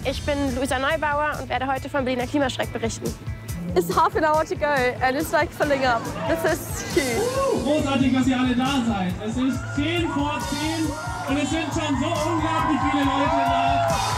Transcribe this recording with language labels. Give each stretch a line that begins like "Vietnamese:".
German: Ich bin Luisa Neubauer und werde heute vom Berliner Klimastreik berichten.
English: It's half an hour to go and it's like filling up. This is huge.
German: Großartig, dass ihr alle da seid. Es ist 10 vor 10 und es sind schon so unglaublich viele Leute da.